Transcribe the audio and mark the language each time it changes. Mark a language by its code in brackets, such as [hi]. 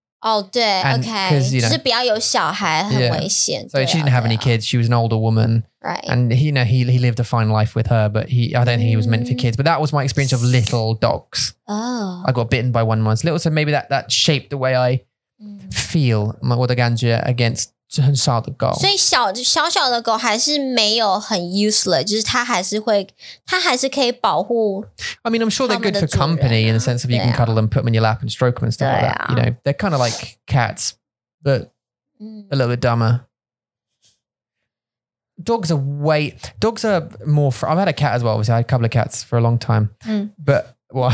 [en] Oh, [zh] 对, [en] and, okay. You know, [zh] 就是比较有小孩,很危险, [en] yeah. So she didn't have any kids, she was an older woman. Right. And he, you know, he lived a fine life with her, but he, I don't think he was meant for kids. But that was my experience of little dogs. Oh. I got bitten by one once. Little, so maybe that shaped the way I feel, [zh] 我的感觉, [en] against [zh] 很少的狗所以小小的狗还是没有很 useless，就是它还是会，它还是可以保护。 [en] I mean, I'm sure they're good for company in the sense of you can cuddle them, put them in your lap, and stroke them and stuff like that. You know, they're kind of like cats, but a little bit dumber. Dogs are more. I've had a cat as well. Obviously, I had a couple of cats for a long time. But what?